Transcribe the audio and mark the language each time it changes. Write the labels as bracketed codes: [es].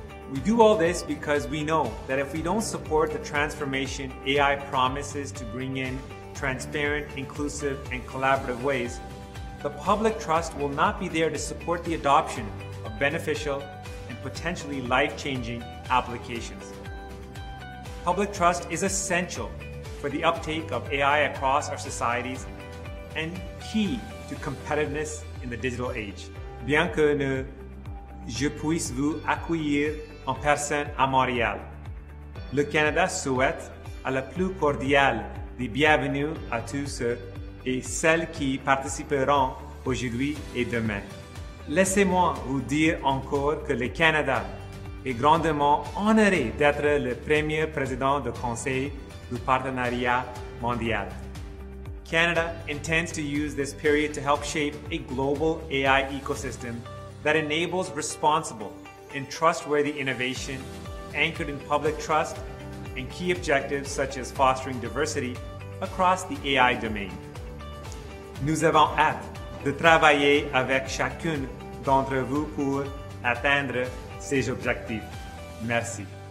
[en] We do all this because we know that if we don't support the transformation AI promises to bring in transparent, inclusive, and collaborative ways, the public trust will not be there to support the adoption of beneficial and potentially life-changing applications. Public trust is essential for the uptake of AI across our societies and key to competitiveness in the digital age. [fr] Bien que ne je puisse vous accueillir en personne à Montréal, le Canada souhaite à la plus cordiale des bienvenues à tous et celles qui participeront aujourd'hui et demain. Laissez-moi vous dire encore que le Canada est grandement honoré d'être le premier président du Conseil du Partenariat Mondial. [en] Canada intends to use this period to help shape a global AI ecosystem that enables responsible and trustworthy innovation anchored in public trust and key objectives such as fostering diversity across the AI domain. [fr] Nous avons hâte de travailler avec chacune d'entre vous pour atteindre ces objectifs. Merci.